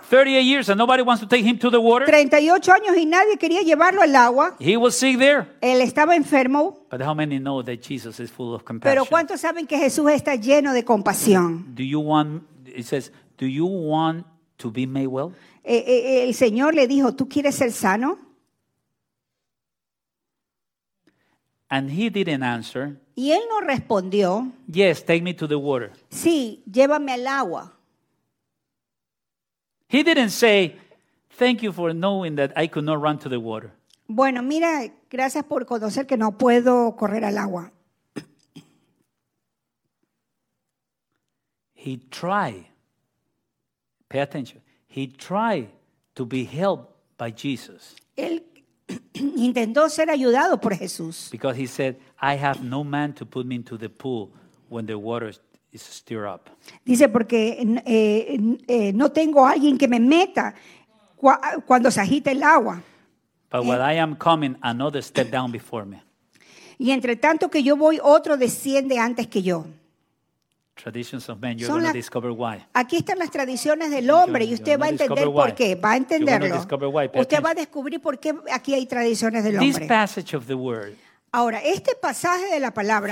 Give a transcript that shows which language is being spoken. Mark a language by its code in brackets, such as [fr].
[en] 38 years and nobody wants to take him to the water. [es] 38 años y nadie quería llevarlo al agua. [en] He was sick there. [es] Él estaba enfermo. [en] But how many know that Jesus is full of compassion? [es] Pero ¿cuántos saben que Jesús está lleno de compasión? [en] Do you want? It says, "Do you want to be made well?" [es] El Señor le dijo, "¿Tú quieres ser sano?" [en] And he didn't answer. [es] Y él no respondió. [en] Yes, take me to the water. [es] Sí, llévame al agua. [en] He didn't say, "Thank you for knowing that I could not run to the water." [es] Bueno, mira, gracias por conocer que no puedo correr al agua. [en] He tried. Pay attention. He tried to be helped by Jesus. [es] Él intentó ser ayudado por Jesús. [en] Because he said, "I have no man to put me into the pool when the water is stirred up." [es] Dice porque no tengo alguien que me meta cuando se agita el agua. [en] But while I am coming, another step down before me. [es] Y entre tanto que yo voy, otro desciende antes que yo. [en] Traditions of men, you're going to discover why. [es] Aquí están las tradiciones del hombre y usted va a entender por qué. Va a entenderlo. Usted va a descubrir por qué aquí hay tradiciones del hombre. [en] This passage of the word. [es] Ahora, este pasaje de la palabra.